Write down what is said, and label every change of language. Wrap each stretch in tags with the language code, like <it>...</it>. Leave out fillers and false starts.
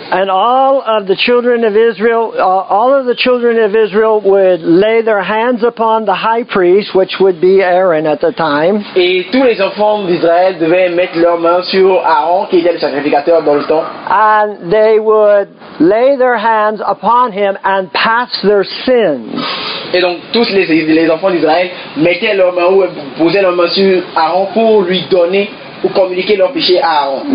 <en>and all of the children of Israel would lay their hands upon the high priest, which would be Aaron at the time.</en> <fr>Et tous les enfants d'Israël devaient mettre leurs mains sur Aaron, qui était le sacrificateur dans le temps.</fr> <en>And they would lay their hands upon him and pass their sins.</en> <fr>Et donc tous les enfants d'Israël mettaient leurs mains ou posaient leurs mains sur Aaron pour lui donner ou communiquer leurs péchés à Aaron.</fr>